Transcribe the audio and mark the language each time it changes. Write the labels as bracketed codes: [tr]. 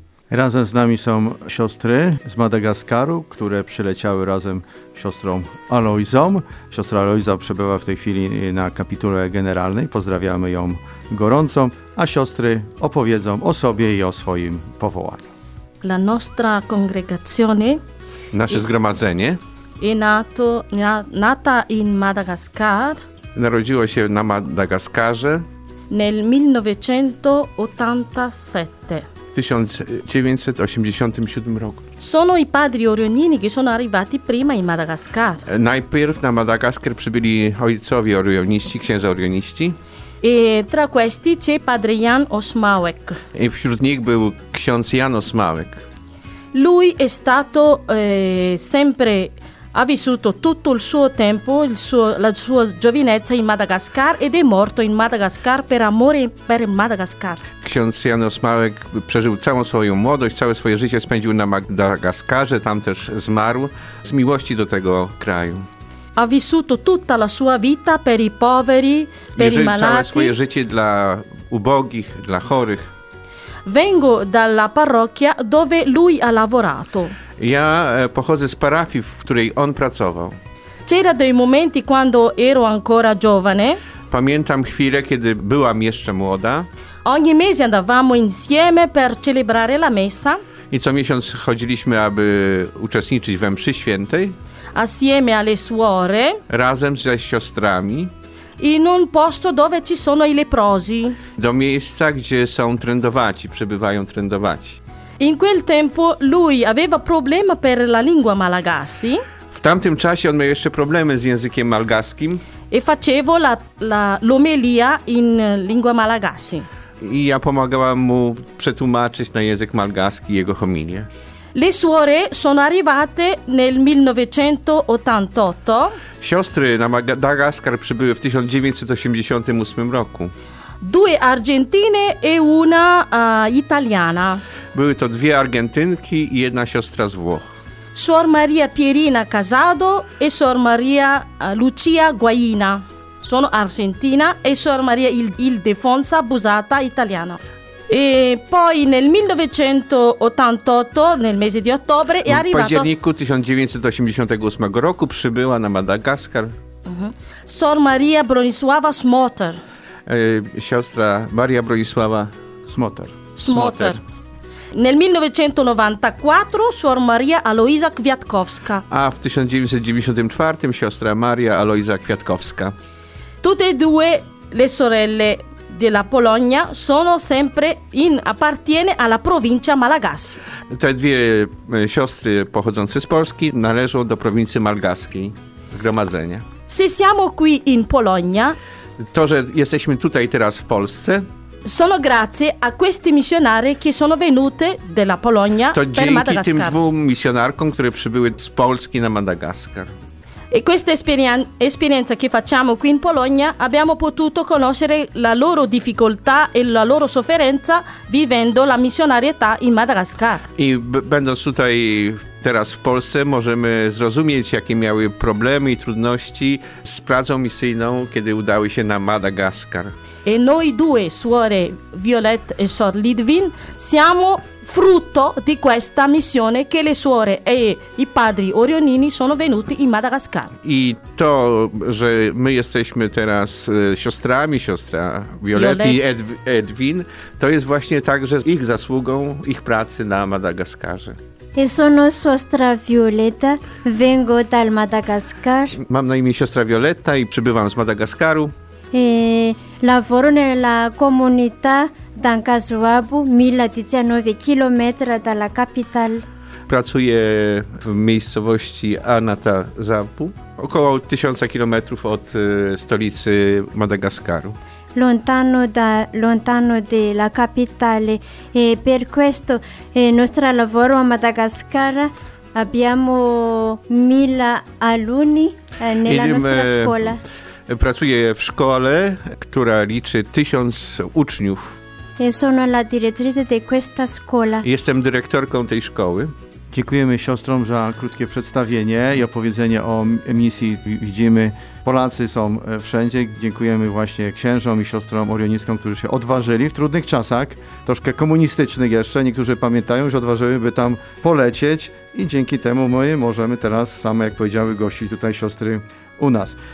[pl] Razem z nami są siostry z Madagaskaru, które przyleciały razem z siostrą Aloizą. Siostra Aloiza przebywa w tej chwili na kapitule generalnej. Pozdrawiamy ją gorąco, a siostry opowiedzą o sobie i o swoim powołaniu. [it] La nostra congregazione. [pl] Nasze zgromadzenie. [it] I nata in Madagascar. [pl] Narodziło się na Madagaskarze. [it] Nel 1987. [pl] W 1987 roku. [it] Sono i padri orionini, che sono arrivati prima in Madagascar. [pl] Najpierw na Madagaskar przybyli ojcowie orioniści, księża orioniści. [it] E tra questi c'è padre Jan Osmałek. [pl] I wśród nich był ksiądz Jan Osmałek. [it] Lui è stato sempre... Ha vissuto tutto il suo tempo, la sua giovinezza in Madagascar ed è morto in Madagascar per amore per Madagascar. [pl] Ksiądz Jan Osmałek przeżył całą swoją młodość, całe swoje życie spędził na Madagaskarze, tam też zmarł z miłości do tego kraju. [it] Ha vissuto tutta la sua vita per i poveri, per i malati. [pl] Całe swoje życie dla ubogich, dla chorych. [it] Vengo dalla parrocchia dove lui ha lavorato. [pl] Ja pochodzę z parafii, w której on pracował. [it] C'era dei momenti quando ero ancora giovane. [pl] Pamiętam chwilę, kiedy byłam jeszcze młoda. [it] Ogni mese andavamo insieme per celebrare la messa. [pl] I co miesiąc chodziliśmy, aby uczestniczyć we mszy świętej. [it] Assieme alle suore. [pl] Razem ze siostrami. [it] In un posto dove ci sono i leprosi. [pl] Do miejsca, gdzie są trędowaci, przebywają trędowaci. [it] In quel tempo lui aveva problema per la lingua malagasy. [pl] W tamtym czasie on miał jeszcze problemy z językiem malgaskim. [it] E facevo l'omelia in lingua malagasy. [pl] I ja pomagałam mu przetłumaczyć na język malgaski jego homilię. [it] Le suore sono arrivate nel 1988. [pl] Siostry na Madagaskar przybyły w 1988 roku. [it] Due Argentine e una italiana. [pl] Były to dwie Argentynki i jedna siostra z Włoch. [it] Suor Maria Pierina Casado e Suor Maria Lucia Guaina. Sono Argentina e Suor Maria Ildefonsa Busata italiana. E poi nel 1988, nel mese di ottobre, è arrivato... [pl] W październiku 1988 roku przybyła na Madagaskar. [it] Suor Maria Bronisława Smotter. [pl] Siostra Maria Bronisława Smotter. Smotter. [it] Nel 1994 Suor Maria Aloiza Kwiatkowska. [pl] A w 1994 siostra Maria Aloiza Kwiatkowska. [it] Tutte e due le sorelle della Polonia sono sempre in appartiene alla provincia Malagas. [pl] Te dwie siostry pochodzące z Polski należą do prowincji malgaskiej, zgromadzenia. [it] Se siamo qui in Polonia, [pl] to, że jesteśmy tutaj teraz w Polsce. [it] Sono grazie a questi missionari che sono venute della Polonia per Madagascar. [pl] To dzięki tym dwóm misjonarkom, które przybyły z Polski na Madagaskar. [it] E questa esperienza che facciamo qui in Polonia abbiamo potuto conoscere la loro difficoltà e la loro sofferenza vivendo la missionarietà in Madagascar. [pl] I będąc tutaj teraz w Polsce możemy zrozumieć, jakie miały problemy i trudności z pracą misyjną, kiedy udały się na Madagaskar. [it] E noi due, suore Violette e Sor Lidwin, siamo frutto di questa missione che le suore e i padri Orionini sono venuti in Madagascar. [pl] I to, że my jesteśmy teraz siostrami, siostra Violette i Edwin, to jest właśnie także ich zasługą, ich pracy na Madagaskarze. [it] E sono siostra Violetta, vengo dal Madagascar. [pl] Mam na imię siostra Violetta i przybywam z Madagaskaru. [it] E lavoro nella comunità d'Ankazuabu, 1019 km dalla capitale. [pl] Pracuję w miejscowości Anantazawa, około 1000 km od stolicy Madagaskaru. [it] Lontano dalla capitale, e per questo il nostro lavoro a Madagascar, abbiamo 1000 alunni nella nostra scuola. [pl] Pracuję w szkole, która liczy 1000 uczniów. [it] Sono la direttrice di questa scuola. [pl] Jestem dyrektorką tej szkoły. Dziękujemy siostrom za krótkie przedstawienie i opowiedzenie o misji. Widzimy, Polacy są wszędzie. Dziękujemy właśnie księżom i siostrom orioniskom, którzy się odważyli w trudnych czasach, troszkę komunistycznych jeszcze. Niektórzy pamiętają, że odważyłyby tam polecieć i dzięki temu my możemy teraz, same jak powiedziały, gościć tutaj siostry u nas.